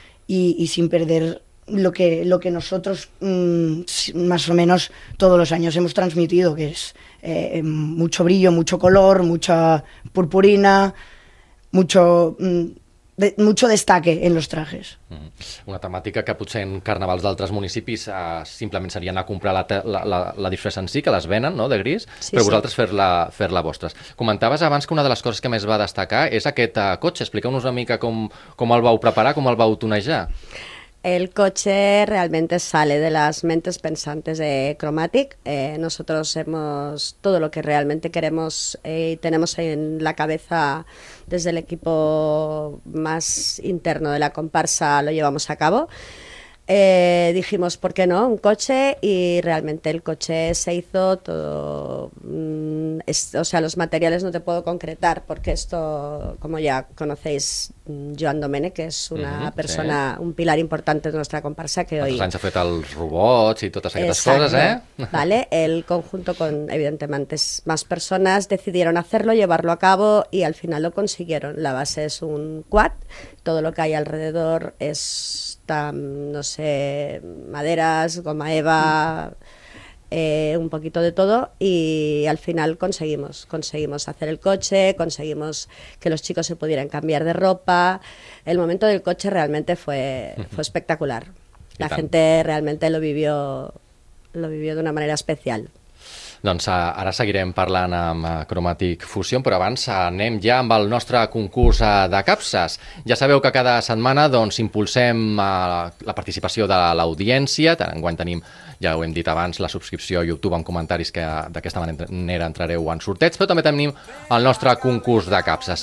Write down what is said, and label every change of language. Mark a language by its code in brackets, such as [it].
[es] y sin perder lo que nosotros más o menos todos los años hemos transmitido, que es mucho brillo, mucho color, mucha purpurina, mucho destaque en los trajes. [ca] Una temàtica que potser en carnavals d'altres municipis simplement serien a comprar la disfressa en si, que les venen, no?, de gris, sí, però sí. Vosaltres fer-la vostres. Comentaves abans que una de les coses que més va destacar és aquest cotxe. Expliqueu-nos una mica com el vau preparar, com el vau tunejar. [es] El cotxe realmente sale de las mentes pensantes de Cromatic. Nosotros hemos todo lo que realmente queremos y tenemos en la cabeza desde el equipo más interno de la comparsa lo llevamos a cabo. Dijimos, ¿por qué no? Un coche, y realmente el coche se hizo todo. O sea, los materiales no te puedo concretar, porque esto, como ya conocéis, Joan Domènech, que es una persona, sí, un pilar importante de nuestra comparsa, que hoy... [ca] Els anys ha fet els robots i totes aquestes coses, ¿eh? [es] Vale, el conjunto con, evidentemente, más personas decidieron hacerlo, llevarlo a cabo, y al final lo consiguieron. La base es un quad, todo lo que hay alrededor es... no sé, maderas, goma Eva, un poquito de todo, y al final conseguimos hacer el coche, conseguimos que los chicos se pudieran cambiar de ropa. El momento del coche realmente fue espectacular. La gente realmente lo vivió de una manera especial. [ca] Doncs ara seguirem parlant amb Cromatic Fusion, però abans anem ja amb el nostre concurs de capses. Ja sabeu que cada setmana doncs impulsem la participació de l'audiència. Enguany tenim, ja ho hem dit abans, la subscripció a YouTube amb comentaris, que d'aquesta manera entrareu en sorteig, però també tenim el nostre concurs de capses.